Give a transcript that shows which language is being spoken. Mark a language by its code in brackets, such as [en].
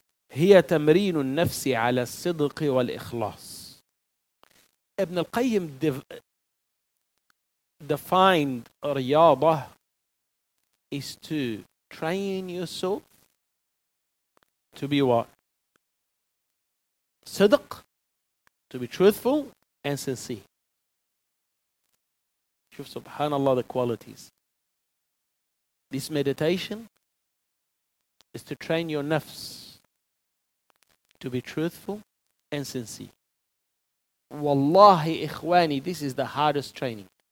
[ar] هي تمرين النفس على الصدق والإخلاص. [en] Ibn al-Qayyim defined riyadah is to train yourself to be what? Sidq, to be truthful and sincere. [ar] شوف سبحان الله the qualities. [en] This meditation is to train your nafs to be truthful and sincere. Wallahi ikhwani, this is the hardest training.